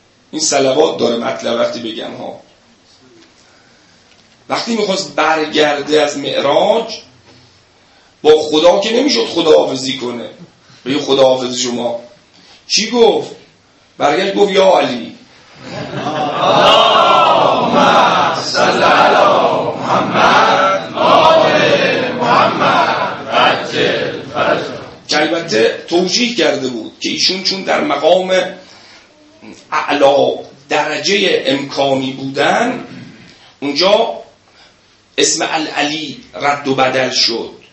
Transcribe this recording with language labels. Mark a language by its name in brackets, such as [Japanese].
[Persian] این صلوات داره مطلب وقتی بگم ها، وقتی میخواست برگرده از معراج با خدا که نمیشد خداحافظی کنه، بگه خداحافظ شما، چی گفت؟ برگرد گفت یا علی [Arabic] اللهم صل على محمد آل محمد عجل فجر. [Persian] البته توجیه کرده بود که ایشون چون در مقام اعلا درجه امکانی بودن اونجا اسم العلی رد و بدل شد.